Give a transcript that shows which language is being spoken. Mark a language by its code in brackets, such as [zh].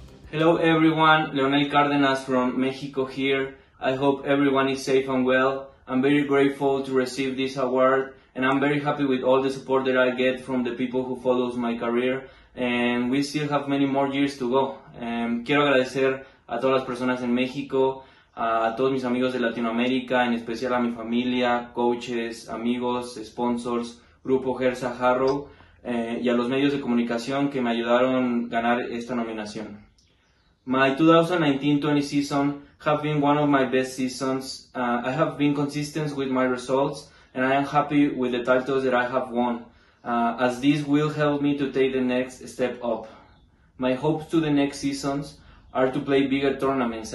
[en] Hello everyone, Leonel Cárdenas from Mexico here. I hope everyone is safe and well. I'm very grateful to receive this award, and I'm very happy with all the support that I get from the people who follow my career, and we still have many more years to go. [es] Quiero agradecer a todas las personas en México, a todos mis amigos de Latinoamérica, en especial a mi familia, coaches, amigos, sponsors, Grupo Gersa Harrow, y a los medios de comunicación que me ayudaron a ganar esta nominación. [en] My 2019-20 season have been one of my best seasons. I have been consistent with my results, and I am happy with the titles that I have won, as this will help me to take the next step up. My hopes to the next seasons are to play bigger tournaments.